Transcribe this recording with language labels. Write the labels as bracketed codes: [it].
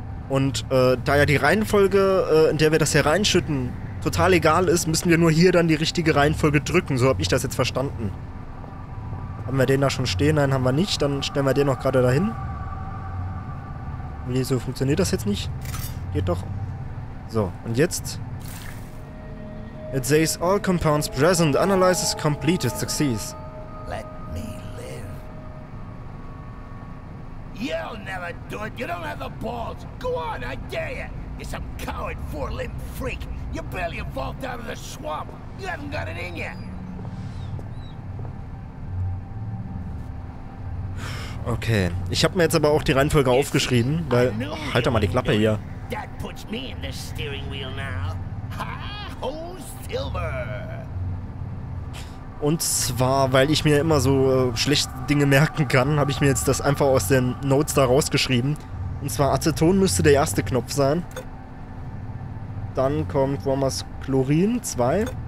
[de] Und da ja die Reihenfolge, in der wir das hier reinschütten, total egal ist, müssen wir nur hier dann die richtige Reihenfolge drücken. So habe ich das jetzt verstanden. Haben wir den da schon stehen? Nein, haben wir nicht. Dann stellen wir den noch gerade dahin. Wieso funktioniert das jetzt nicht? Geht doch. So, und jetzt... [en] It says all compounds present, analysis completed, succeeds. Let me live. You'll never do it. You don't have the balls. Go on, I dare you. You're some coward, four-limbed freak. You barely evolved out of the swamp. You haven't got it in you. [de] Okay, ich habe mir jetzt aber auch die Reihenfolge aufgeschrieben, weil... Halt doch mal die Klappe hier. [en] That puts me in the steering wheel now. Ha, ho, Silver! [de] Und zwar, weil ich mir immer so schlechte Dinge merken kann, habe ich mir jetzt das einfach aus den Notes da rausgeschrieben. Und zwar, Aceton müsste der erste Knopf sein. Dann kommt Wormers Chlorin, 2.